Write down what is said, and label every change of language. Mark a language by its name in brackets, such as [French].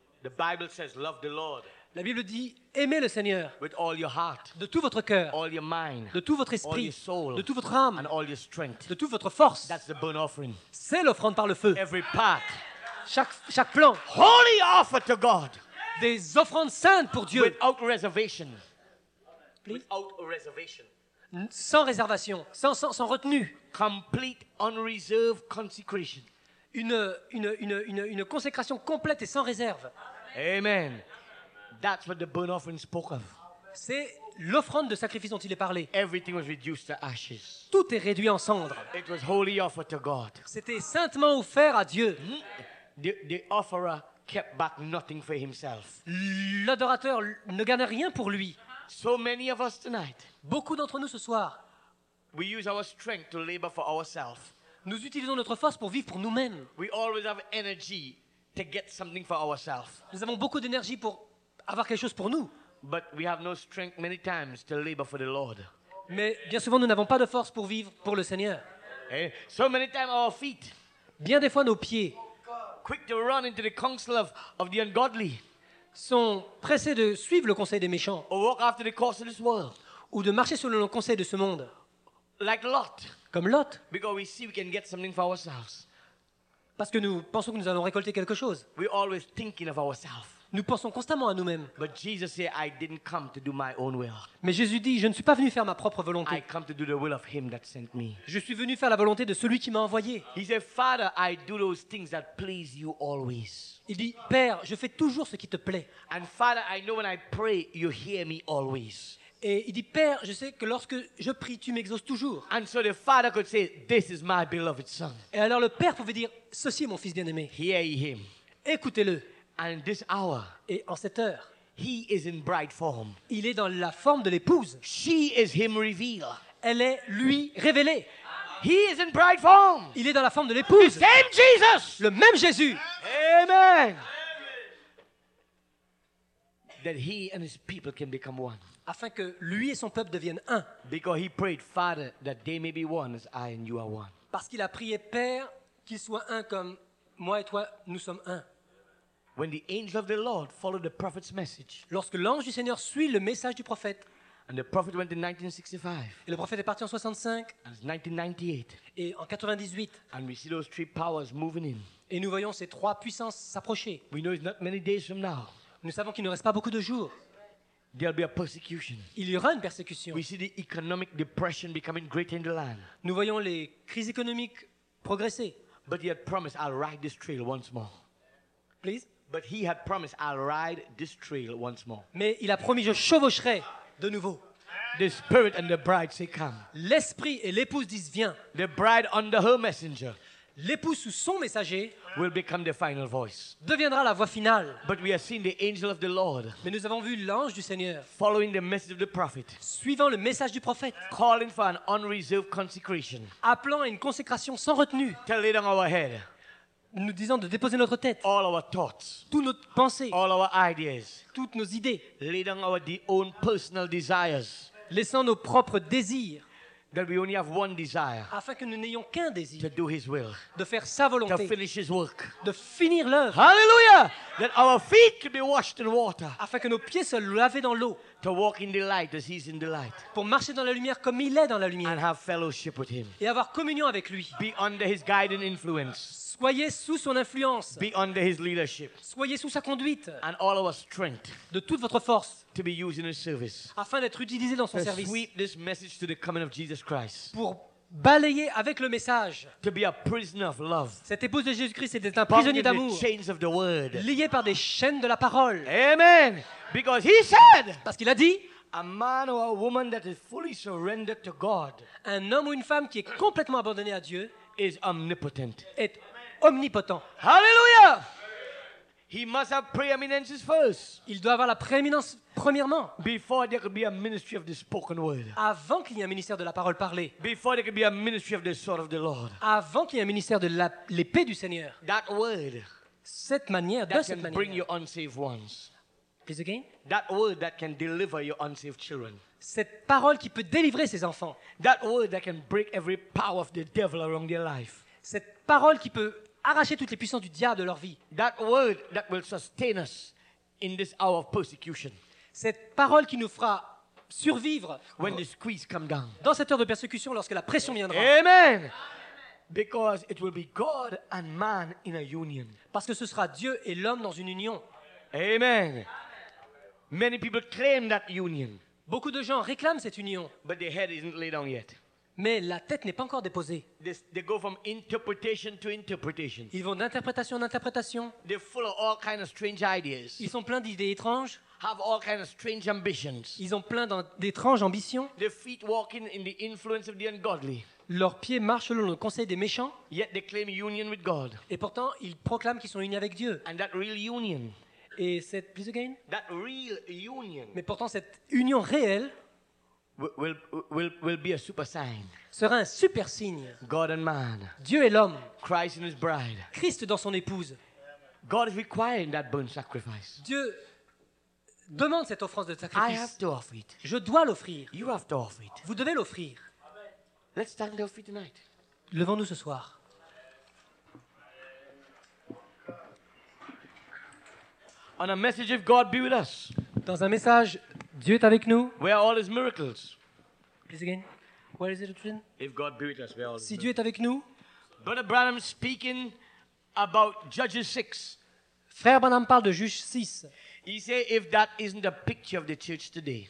[English] The Bible says love the Lord. [French] La Bible dit, aimez le Seigneur [English] with all your heart, [French] de tout votre cœur, [English] all your mind, [French] de tout votre esprit, [English] all your soul, [French] de toute votre âme, [English] and all your strength, [French] de toute votre force. [English] That's the burnt offering. [French] C'est l'offrande par le feu. [English] Every part, [French] chaque plan. [English] Holy offer to God. [French] Des offrandes saintes pour Dieu. [English] Without reservation. Please? Without reservation. [French] Sans réservation, sans retenue. [English] Complete unreserved consecration. [French] Une consécration complète et sans réserve. [English] Amen. That's what the burnt offering spoke of. [French] C'est l'offrande de sacrifice dont il est parlé. [English] Everything was reduced to ashes. [French] Tout est réduit en cendres. [English] It was wholly offered to God. [French] C'était saintement offert à Dieu. [English] The offerer kept back nothing for himself. [French] L'adorateur ne gardait rien pour lui. [English] So many of us tonight. [French] Beaucoup d'entre nous ce soir. [English] We use our strength to labor for ourselves. [French] Nous utilisons notre force pour vivre pour nous-mêmes. [English] We always have energy to get something for ourselves. [French] Nous avons beaucoup d'énergie pour avoir quelque chose pour nous. [English] But we have no strength many times to labor for the Lord. [French] Mais bien souvent nous n'avons pas de force pour vivre pour le Seigneur. [English] Hey, so many times our feet. [French] Bien des fois nos pieds. [English] Quick to run into the counsel of the ungodly. [French] Sont pressés de suivre le conseil des méchants. [English] Or walk after the course of this world. [French] Ou de marcher selon le conseil de ce monde. [English] Like Lot. [French] Comme Lot. [English] Because we see we can get something for ourselves. [French] parce que nous pensons que nous allons récolter quelque chose. [English] We always thinking of ourselves. [French] Nous pensons constamment à nous-mêmes. [English] But Jesus said, I didn't come to do my own will. [French] Mais Jésus dit, je ne suis pas venu faire ma propre volonté. [English] I come to do the will of him that sent me. [French] Je suis venu faire la volonté de celui qui m'a envoyé. [English] He said, Father, I do those things that please you always. [French] Il dit, Père, je fais toujours ce qui te plaît. [English] And Father, I know when I pray, you hear me always. [French] Et il dit, Père, je sais que lorsque je prie, tu m'exauces toujours. [English] And so the Father could say, this is my beloved son. [French] Et alors le Père pouvait dire, ceci est mon fils bien-aimé. [English] Hear him. [French] Écoutez-le. [English] And this hour, [French] et en cette heure, [English] he is in bride form. [French] Il est dans la forme de l'épouse. [English] She is him revealed. [French] Elle est lui révélée. [English] He is in bride form. [French] Il est dans la forme de l'épouse. [English] The same Jesus. [French] Le même Jésus. [English] Amen. That he and his people can become one. [French] Afin que lui et son peuple deviennent un. [English] Because he prayed, Father, that they may be one as I and you are one. [French] Parce qu'il a prié, Père, qu'ils soient un comme moi et toi, nous sommes un. [English] When the angel of the Lord followed the prophet's message. [French] Lorsque l'ange du Seigneur suit le message du prophète. [English] And the prophet went in 1965. [French] Et le prophète est parti en 65. [English] And it's 1998. [French] Et en 98. [English] And we see those three powers moving in. [French] Et nous voyons ces trois puissances s'approcher. [English] We know it's not many days from now. [French] Nous savons qu'il ne reste pas beaucoup de jours. [English] There'll be a persecution. [French] Il y aura une persécution. [English] We see the economic depression becoming greater in the land. [French] Nous voyons les crises économiques progresser. [English] But he had promised, I'll ride this trail once more. Please. But he had promised, I'll ride this trail once more. [French] Mais il a promis, je chevaucherai de nouveau. [English] The spirit and the bride say, come. [French] L'esprit et l'épouse disent, viens. [English] The bride under her messenger. [French] L'épouse sous son messager [English] will become the final voice. [French] Deviendra la voix finale. [English] But we have seen the angel of the Lord. [French] Mais nous avons vu l'ange du Seigneur. [English] Following the message of the prophet. [French] Suivant le message du prophète. [English] Calling for an unreserved consecration. [French] Appelant à une consécration sans retenue. [English] Tell it on our head. [French] Nous disant de déposer notre tête. [English] All our thoughts. [French] Toutes nos pensées. [English] All our ideas. [French] Toutes nos idées. [English] Lay down our own personal desires. [French] Laissant nos propres désirs. [English] That we only have one desire. [French] Afin que nous n'ayons qu'un désir. [English] To do his will. [French] De faire sa volonté. [English] To finish his work. [French] De finir l'œuvre. [English] Hallelujah! That our feet could be washed in water. [French] Afin que nos pieds soient lavés dans l'eau. [English] To walk in the light as he's in the light. [French] Pour marcher dans la lumière comme il est dans la lumière. [English] And have fellowship with him. [French] Et avoir communion avec lui. [English] Be under his guiding influence. [French] Soyez sous son influence. [English] Be under his leadership. [French] Soyez sous sa conduite. [English] And all our strength. [French] De toute votre force. [English] To be used in his service. [French] Afin d'être utilisé dans son [English] to [French] service. [English] Sweep this message to the coming of Jesus Christ. [French] Pour balayer avec le message. [English] To be a prisoner of love. [French] Cette épouse de Jésus-Christ était un prisonnier d'amour. [English] Bound in the chains of the word. [French] Lié par des chaînes de la parole. [English] Amen. Because he said. [French] Parce qu'il a dit. [English] A man or a woman that is fully surrendered to God. [French] Un homme ou une femme qui est complètement abandonné à Dieu. [English] Is omnipotent. [French] Est omnipotent. [English] Hallelujah. He must have preeminence first. [French] Il doit avoir la prééminence premièrement. [English] Before there could be a ministry of the spoken word. [French] Avant qu'il y ait un ministère de la parole parlée. [English] Before there could be a ministry of the sword of the Lord. [French] Avant qu'il y ait un ministère de l'épée du Seigneur. [English] That word. [French] Cette manière, de cette manière. [English] That can bring you unsaved ones. Please again. That word that can deliver your unsaved children. [French] Cette parole qui peut délivrer ses enfants. [English] That word that can break every power of the devil around their life. [French] Cette parole qui peut arracher toutes les puissances du diable de leur vie. [English] That word that will sustain us in this hour of persecution. [French] Cette parole qui nous fera survivre [English] when the squeeze come down. [French] Dans cette heure de persécution lorsque la pression viendra. [English] Amen. Because it will be God and man in a union. [French] Parce que ce sera Dieu et l'homme dans une union. [English] Amen. Many people claim that union. [French] Beaucoup de gens réclament cette union. [English] But their head isn't laid down yet. [French] Mais la tête n'est pas encore déposée. [English] They go from interpretation to interpretation. [French] Ils vont d'interprétation en interprétation. [English] They're full of all kinds of strange ideas. [French] Ils sont pleins d'idées étranges. [English] Have all kinds of strange ambitions. [French] Ils ont plein d'étranges ambitions. [English] Their feet walking in the influence of the ungodly. [French] Leurs pieds marchent selon le conseil des méchants. [English] Yet they claim union with God. [French] Et pourtant, ils proclament qu'ils sont unis avec Dieu. [English] And that real union. [French] Et cette, [English] please again. That real union. [French] Mais pourtant, cette union réelle. [English] Will be a super sign. [French] Sera un super signe. [English] God and man. [French] Dieu et l'homme. [English] Christ and his bride. [French] Christ dans son épouse. [English] God is requiring that burnt sacrifice. [French] Dieu demande cette offrande de sacrifice. [English] I have to offer it. [French] Je dois l'offrir. [English] You have to offer it. [French] Vous devez l'offrir. [English] Amen. Let's stand and offer tonight. [French] Levons-nous ce soir. [English] On a message of God be with us. [French] Dans un message. Dieu est avec nous. [English] Where are all his miracles? Please again. Where is it written? If God be with us, where are all his [French] miracles? Si Dieu est avec nous. [English] Brother Branham speaking about Judges 6. [French] Frère Branham parle de Juges 6. [English] He said, if that isn't the picture of the church today.